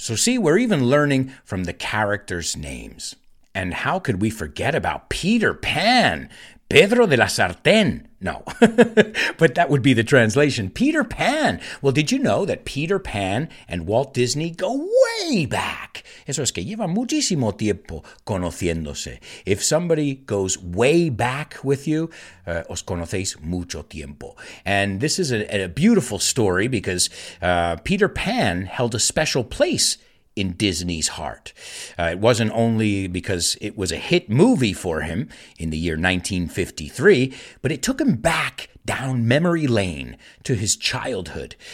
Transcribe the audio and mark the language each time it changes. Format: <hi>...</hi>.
<en>So see, we're even learning from the characters' names. And how could we forget about Peter Pan? Pedro de la Sartén. No, but that would be the translation. Peter Pan. Well, did you know that Peter Pan and Walt Disney go way back?</en> <es>Eso es que lleva muchísimo tiempo conociéndose.</es> <en>If somebody goes way back with you,</en> <es>os conocéis mucho tiempo.</es> <en>And this is a beautiful story because Peter Pan held a special place in Disney's heart. It wasn't only because it was a hit movie for him in the year 1953, but it took him back down memory lane to his childhood.</en>